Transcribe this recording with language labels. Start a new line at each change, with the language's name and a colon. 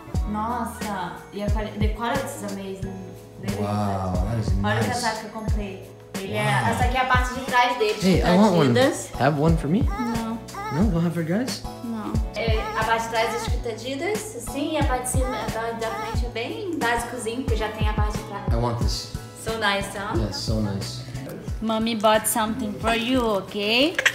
Portuguese: Nossa,
English: the quality is amazing. Wow, that is
Portuguese: olha
English: nice.
Portuguese: Olha o casaco que eu comprei. Yeah, essa aqui é a parte de trás dele.
English: Hey, I want one. Have one for me? No. No, we'll have for guys? No.
Portuguese: A parte de trás é escrita Adidas, sim, e a parte de cima é da frente bem básicozinho, porque já tem a parte de trás.
English: I want this. So nice, huh? Yeah, so nice. Mommy bought something for you, okay?